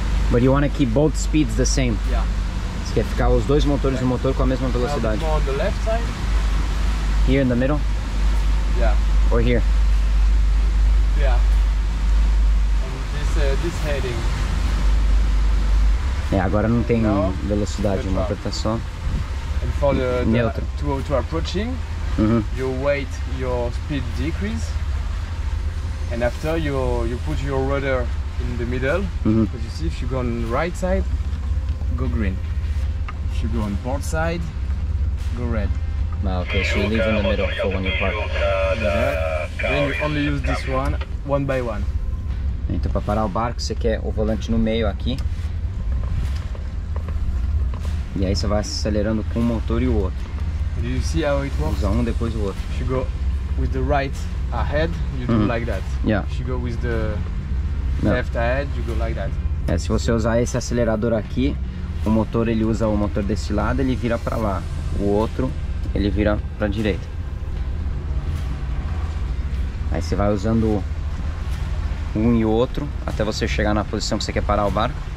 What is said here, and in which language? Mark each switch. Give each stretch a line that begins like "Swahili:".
English: But you want to keep both speeds the same? Yeah.
Portuguese: Você quer ficar os dois motores no motor com a mesma velocidade?
English: More on the left side. Here in the middle? Yeah. Or here? Yeah. And this heading.
Portuguese: É, agora não tem velocidade, o motor tá só.
English: And for the to approaching, you wait your speed decrease. And after you put your rudder in the middle. Because you see if you go on the right side, go green. You go on port side, go red. Ah, okay, so you leave in the middle for when you park. Then you only use this one by one.
Portuguese: Então, para parar o barco, você quer o volante no meio aqui. E aí você vai acelerando com um motor e o outro.
English: Do you see how it works?
Portuguese: Usa um depois o outro.
English: If you go with the right ahead, you do like that. Yeah. If you go with the left ahead, you go like that.
Portuguese: É, se você usar esse acelerador aqui. O motor, ele usa o motor desse lado, ele vira para lá. O outro, ele vira para a direita. Aí você vai usando um e outro até você chegar na posição que você quer parar o barco.